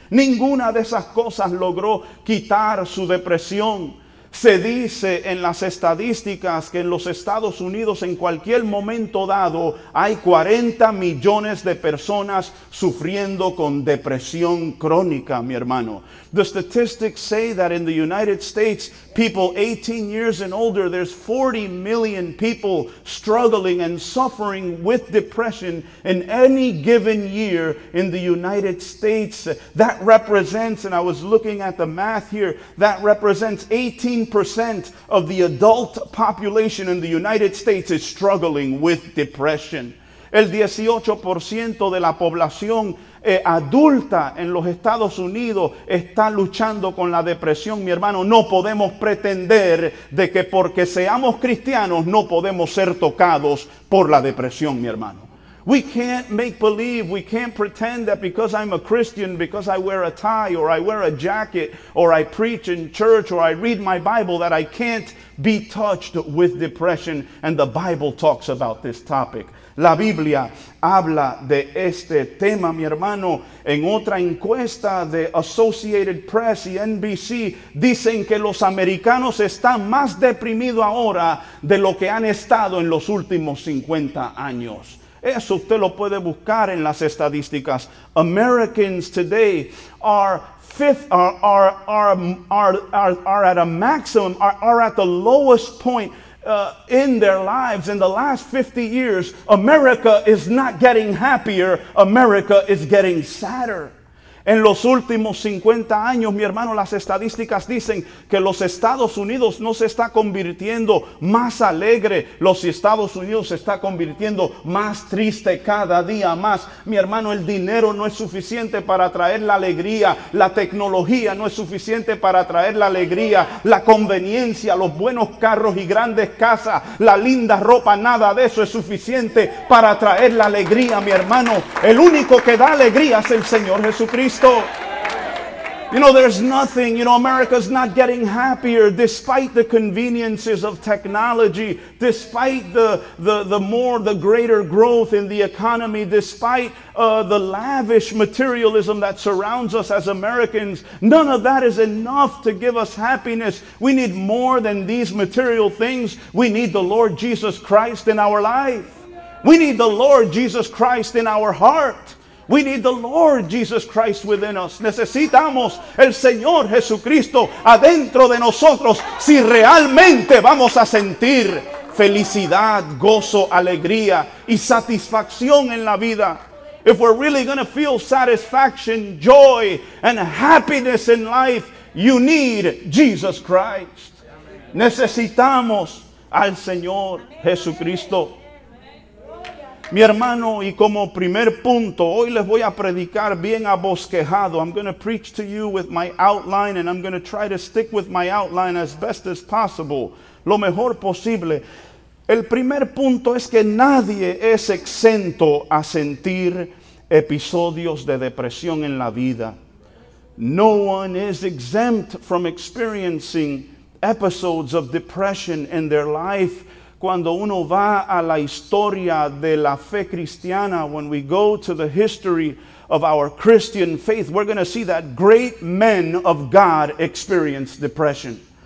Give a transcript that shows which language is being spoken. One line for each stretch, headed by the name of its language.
Spanish: Ninguna de esas cosas logró quitar su depresión. Se dice en las estadísticas que en los Estados Unidos en cualquier momento dado hay 40 millones de personas sufriendo con depresión crónica, mi hermano.
English: The statistics say that in the United States, people 18 years and older, there's 40 million people struggling and suffering with depression in any given year in the United States. That represents, and I was looking at the math here, that represents 18% of the adult population in the United States is struggling with depression.
Spanish: El 18% de la población adulta en los Estados Unidos está luchando con la depresión. Mi hermano, no podemos pretender de que porque seamos cristianos no podemos ser tocados por la depresión, mi hermano.
English: We can't make believe, we can't pretend that because I'm a Christian, because I wear a tie or I wear a jacket or I preach in church or I read my Bible, that I can't be touched with depression. And the Bible talks about this topic.
Spanish: La Biblia habla de este tema, mi hermano. En otra encuesta de Associated Press y NBC, dicen que los americanos están más deprimidos ahora de lo que han estado en los últimos 50 años. Eso usted lo puede buscar en las estadísticas.
English: Americans today are at a maximum, are at the lowest point in their lives in the last 50 years. America is not getting happier. America is getting sadder.
Spanish: En los últimos 50 años, mi hermano, las estadísticas dicen que los Estados Unidos no se está convirtiendo más alegre. Los Estados Unidos se está convirtiendo más triste cada día más. Mi hermano, el dinero no es suficiente para traer la alegría. La tecnología no es suficiente para traer la alegría. La conveniencia, los buenos carros y grandes casas, la linda ropa, nada de eso es suficiente para traer la alegría, mi hermano. El único que da alegría es el Señor Jesucristo.
English: You know, there's nothing, you know, America's not getting happier despite the conveniences of technology, despite the greater growth in the economy, despite the lavish materialism that surrounds us as Americans. None of that is enough to give us happiness. We need more than these material things. We need the Lord Jesus Christ in our life. We need the Lord Jesus Christ in our heart. We need the Lord Jesus Christ within us.
Spanish: Necesitamos el Señor Jesucristo adentro de nosotros si realmente vamos a sentir felicidad, gozo, alegría y satisfacción en la vida.
English: If we're really going to feel satisfaction, joy, and happiness in life, you need Jesus Christ.
Spanish: Necesitamos al Señor Jesucristo. Mi hermano, y como primer punto, hoy les voy a predicar bien abosquejado.
English: I'm going to preach to you with my outline, and I'm going to try to stick with my outline as best as possible,
Spanish: lo mejor posible. El primer punto es que nadie es exento a sentir episodios de depresión en la vida.
English: No one is exempt from experiencing episodes of depression in their life.
Spanish: Cuando uno va a la historia de la fe cristiana,
English: when we go to the history of our Christian faith, we're going to see that great men of God experience depression.